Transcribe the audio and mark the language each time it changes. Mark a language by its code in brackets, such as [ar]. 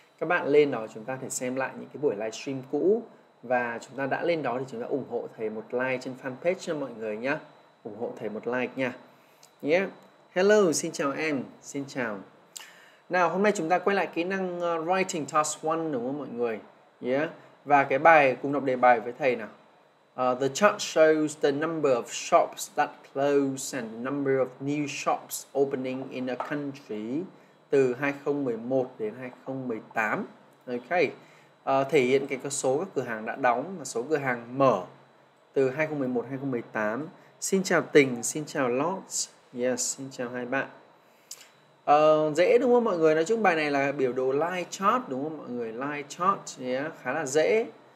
[vi] Các bạn lên đó, chúng ta có thể xem lại những cái buổi livestream cũ. Và chúng ta đã lên đó thì chúng ta ủng hộ thầy một like trên fanpage cho mọi người nhé. Ủng hộ thầy một like nha. Yeah. Hello, xin chào em, xin chào. Nào, hôm nay chúng ta quay lại kỹ năng writing task 1, đúng không mọi người? Yeah. Và cái bài, cùng đọc đề bài với thầy nào. [en] The chart shows the number of shops that close and the number of new shops opening in a country [vi] từ 2011 đến 2018. [en] Okay. [vi] Thể hiện cái số các cửa hàng đã đóng và số cửa hàng mở từ 2011-2018. Xin chào Tình, xin chào Lots. Yes, xin chào hai bạn. Dễ đúng không mọi người? Nói chung bài này là biểu đồ line chart, đúng không mọi người? Line chart, yeah, khá là dễ.